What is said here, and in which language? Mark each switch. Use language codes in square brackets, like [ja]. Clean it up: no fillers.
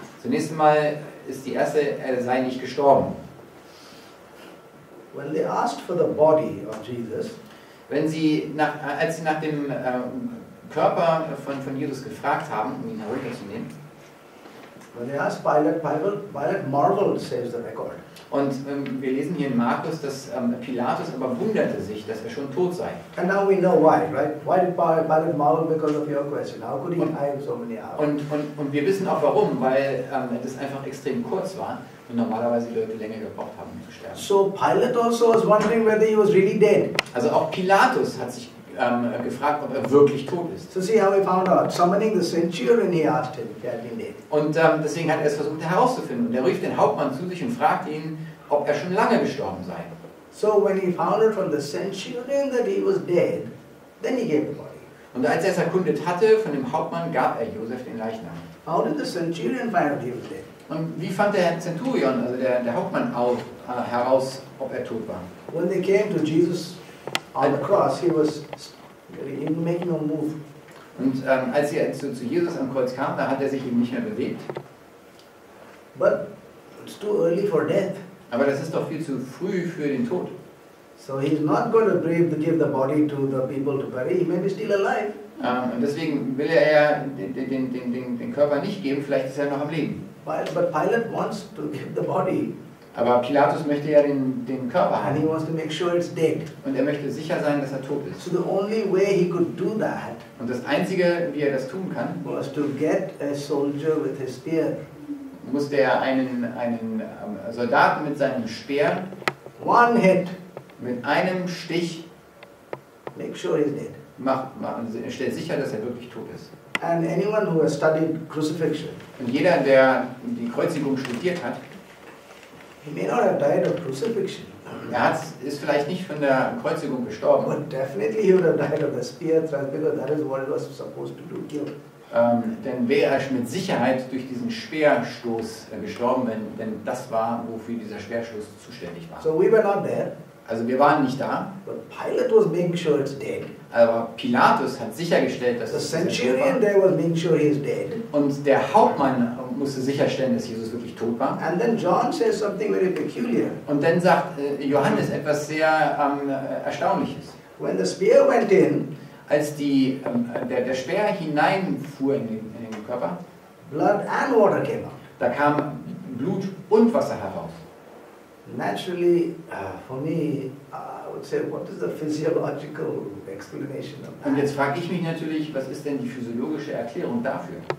[de] Zunächst mal ist die erste, er sei nicht gestorben. [en] When they asked for the body of Jesus, [de] wenn sie als sie nach dem Körper von Jesus gefragt haben, um ihn herunterzunehmen. [en] When they asked Pilate marveled, says the record. [de] Und wir lesen hier in Markus, dass Pilatus aber wunderte sich, dass er schon tot sei. [en] And now we know why, right? Why did Pilate marvel because of your question? How could he hide so many hours? [de] Und wir wissen auch warum, weil das einfach extrem kurz war und normalerweise die Leute länger gebraucht haben, um zu sterben. [en] So Pilate also was wondering whether he was really dead. [de] Also auch Pilatus hat sich gefragt, ob er wirklich tot ist. [en] So see how he found out. Summoning the centurion, he asked him if he had been dead. [de] Und deswegen hat er es versucht herauszufinden. Und er rief den Hauptmann zu sich und fragt ihn, ob er schon lange gestorben sei. [en] So when he found out from the centurion that he was dead, then he gave the body. [de] Und als er es erkundet hatte von dem Hauptmann, gab er Josef den Leichnam. [en] How did the centurion find out he was dead? [de] Und wie fand der Centurion, also der Hauptmann, heraus, ob er tot war? [en] When they came to Jesus on the cross, he was making no move. [de] Und als er zu Jesus am Kreuz kam, da hat er sich eben nicht mehr bewegt. [en] But it's too early for death. [de] Aber das ist doch viel zu früh für den Tod. [en] So he's not going to brave to give the body to the people to bury. He may be still alive. [de] Und deswegen will er ja den Körper nicht geben. Vielleicht ist er noch am Leben. [en] But Pilate wants to give the body. [de] Aber Pilatus möchte ja den Körper haben. [en] And he wants to make sure it's dead. [de] Und er möchte sicher sein, dass er tot ist. [en] So the only way he could do that. [de] Und das Einzige, wie er das tun kann, [en] was to get a soldier with his spear. [de] Musste er einen Soldaten mit seinem Speer. [en] One hit. [de] Mit einem Stich. [en] Make sure he's dead. [de] Machen, stellt sicher, dass er wirklich tot ist. [en] And anyone who has studied crucifixion. [de] Und jeder, der die Kreuzigung studiert hat. [en] He may not have died of crucifixion. [de] Ist vielleicht nicht von der Kreuzigung gestorben. [en] But definitely he would have died of the spear thrust, because that is what it was supposed to do, kill. [de] Denn wäre er mit Sicherheit durch diesen Speerstoß gestorben, denn das war, wofür dieser Speerstoß zuständig war. [en] So we were not there. [de] Also wir waren nicht da. [en] But Pilate was making sure it's dead. [de] Aber Pilatus hat sichergestellt, dass [en] the centurion there was making sure he's dead. [de] Und der Hauptmann musste sicherstellen, dass Jesus wirklich tot war. [en] And then John says something very peculiar. [de] Und dann sagt Johannes etwas sehr Erstaunliches. [en] When the spear went in, [de] als der Speer hineinfuhr in den Körper, [en] blood and water came out. [de] Da kam Blut und Wasser heraus. [en] Naturally, for me, I would say, what is the physiological explanation of that? [de] Und jetzt frage ich mich natürlich, was ist denn die physiologische Erklärung dafür?